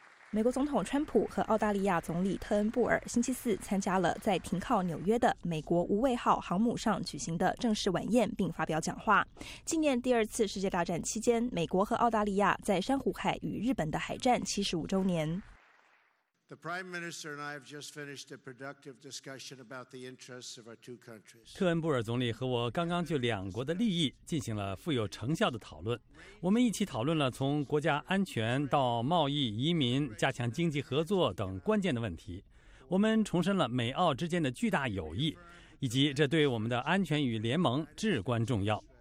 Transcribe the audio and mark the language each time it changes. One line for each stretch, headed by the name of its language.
Chinese: 美国总统川普和澳大利亚总理特恩布尔星期四参加了在停靠纽约的美国无畏号航母上举行的正式晚宴，并发表讲话，纪念第二次世界大战期间美国和澳大利亚在珊瑚海与日本的海战75周年。
English: The Prime Minister and I have just finished a productive discussion about the interests of our two countries.
Chinese: 特恩布尔总理和我刚刚就两国的利益进行了富有成效的讨论，我们一起讨论了从国家安全到贸易、移民、加强经济合作等关键的问题。我们重申了美澳之间的巨大友谊，以及这对我们的安全与联盟至关重要。